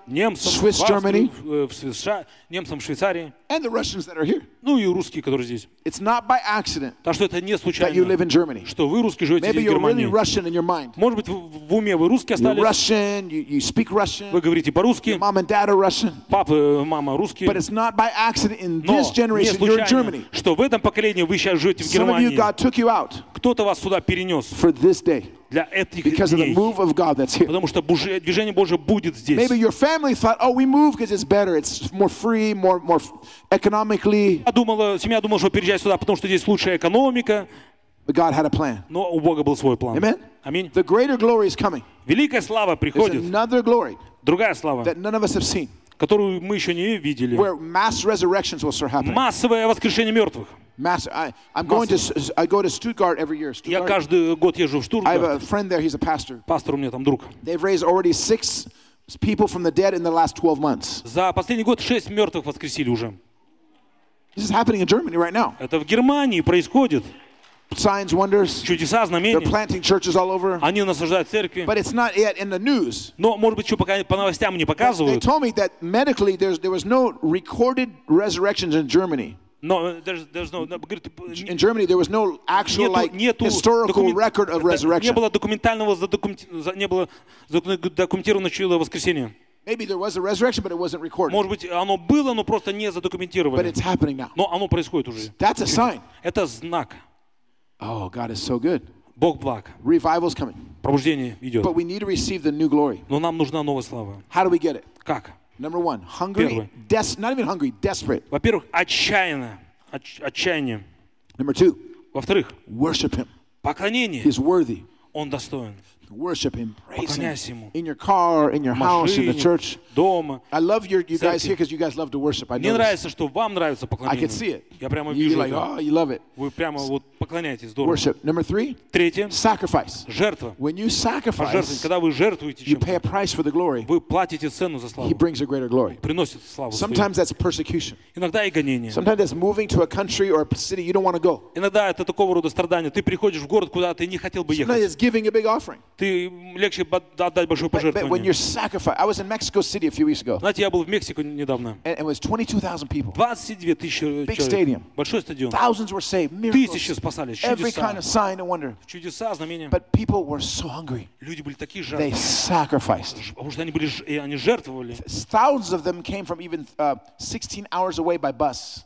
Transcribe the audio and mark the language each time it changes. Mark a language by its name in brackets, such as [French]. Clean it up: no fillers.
[Russian] Немцам. [English] Swiss Germany. [Russian] В США. Немцам в Швейцарии. [English] And the Russians that are here. [Russian] Ну и русские, которые здесь. [English] It's not by accident. [Russian] Так что это не случайно. [English] That you live in Germany. [Russian] Что вы русские живете [English] Maybe [Russian] здесь в Германии. [English] Maybe you're really Russian in your mind. [Russian] Может быть, в уме вы русские остались. [English] Russian, you speak Russian. [Russian] Вы говорите по-русски. [English] Your mom and dad are Russian. [Russian] Папа, мама русские. [English] But it's not by accident in this generation you're in Germany. [Russian] Что в этом поколении вы сейчас живете в Германии. [English] Some of you God took you out. [Russian] Кто-то вас сюда перенес. [English] For this day. [Russian] Для этих [English] because [Russian] дней. [English] Of the move of God that's here. [Russian] Потому что движение Божие будет здесь. [English] Maybe your family thought, oh, we move because it's better, it's more free, more economically. [Russian] Семья думала, что переезжать сюда, потому что здесь лучшая экономика. [English] But God had a plan. [Russian] Но у Бога был свой план. [English] Amen. [Russian] Аминь. [English] The greater glory is coming. [Russian] Великая слава приходит. [English] There's another glory. [Russian] Другая слава. [English] That none of us have seen. [Russian] Которую мы еще не видели. [English] Where mass resurrections will start happening. [Russian] Массовое воскрешение мертвых. [English] I go to Stuttgart every year. [Russian] Я каждый год езжу в Штутгарт. [English] I have a friend there. He's a pastor. [Russian] Пастор у меня там друг. [English] They've raised already 6 people from the dead in the last 12 months. [Russian] За последний год 6 мертвых воскресили уже. [English] This is happening in Germany right now. [Russian] Это в Германии происходит. [English] Signs, wonders. [Russian] Чудеса, знамения. [English] They're planting churches all over. [Russian] Они насаждают церкви. [English] But it's not yet in the news. [Russian] Но, может быть, еще пока по новостям не показывают. [English] They told me that medically there was no recorded resurrections in Germany. No, there's no. [Russian] Говорит, [English] in Germany, there was no actual historical record of resurrection. [Russian] Не было документального не было задокументированного чудо воскресения. [English] Maybe there was a resurrection, but it wasn't recorded. [Russian] Может быть, оно было, но просто не задокументировано. [English] But it's happening now. [Russian] Но оно происходит уже. [English] That's a sign. [Russian] Это знак. [English] Oh, God is so good. [Russian] Бог благ. [English] Revival's coming. [Russian] Пробуждение идет. [English] But we need to receive the new glory. [Russian] Но нам нужна новая слава. [English] How do we get it? [Russian] Как? [English] Number one, hungry, not even hungry, desperate. [Russian] Во-первых, отчаянно, отчаяние. [English] Number two. [Russian] Во-вторых, [English] worship Him. [Russian] Поклонение. [English] He's worthy. [Russian] Он достоин. [English] Worship Him, praise Him. In your car, in your house, in the church. [Russian] Дома. [English] I love you guys here because you guys love to worship. [Russian] Мне нравится, что вам нравится поклонение. [English] I can see it. [Russian] Я прямо вижу. [English] You like, oh, you love it. [Russian] Вы прямо вот поклоняетесь. Здорово. [English] Worship. Number three. [Russian] Третье. [English] Sacrifice. [Russian] Жертва. [English] When you sacrifice, [Russian] когда вы жертвуете чем-то, [English] you pay a price for the glory. [Russian] Вы платите цену за славу. [English] He brings a greater glory. [Russian] Приносит славу. [English] Sometimes that's persecution. [Russian] Иногда и гонение. [English] Sometimes it's moving to a country or a city you don't want to go. [Russian] Иногда это такого рода страдания. Ты приходишь в город, куда ты не хотел бы ехать. [English] Sometimes it's giving a big offering. [Russian] ты легче отдать большое пожертвование. [English] But when you're sacrificed, I was in Mexico City a few weeks ago. [Russian] Знаете, я был в Мексике недавно. [English] And it was 22,000 people. [Russian] 22,000 человек. [English] Big stadium. [Russian] Большой стадион. [English] Thousands were saved. Miracles. [Russian] Тысячи спасались. Чудеса. [English] Every kind of sign and wonder. [Russian] Чудеса, знамения. [English] But people were so hungry. [Russian] Люди были такие жадные. [English] They sacrificed. [Russian] Потому что они были, они жертвовали. [English] Thousands of them came from even 16 hours away by bus.